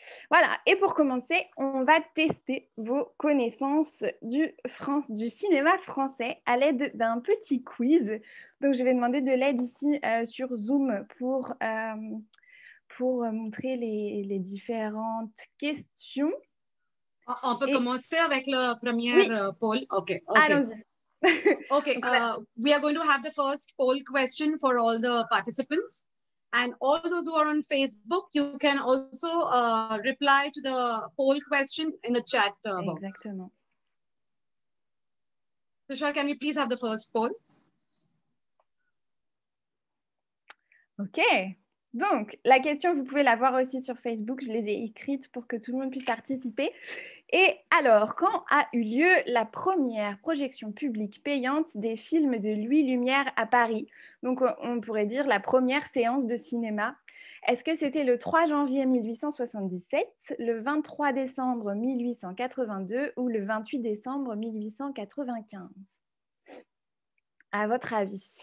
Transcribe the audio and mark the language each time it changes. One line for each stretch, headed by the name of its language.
French: Voilà, et pour commencer, on va tester vos connaissances du cinéma français à l'aide d'un petit quiz. Donc, je vais demander de l'aide ici sur Zoom pour montrer les différentes questions. On peut commencer avec le premier poll. Okay. Allons-y.
English: Okay, we are going to have the first poll question for all the participants. And all those who are on Facebook, you can also reply to the poll question in the chat box.
French: Exactement.
English: Tushar, can we please have the first poll? Okay.
French: Donc, la question, vous pouvez la voir aussi sur Facebook. Je les ai écrites pour que tout le monde puisse participer. Et alors, quand a eu lieu la première projection publique payante des films de Louis Lumière à Paris? Donc, on pourrait dire la première séance de cinéma. Est-ce que c'était le 3 janvier 1877, le 23 décembre 1882 ou le 28 décembre 1895? À votre avis?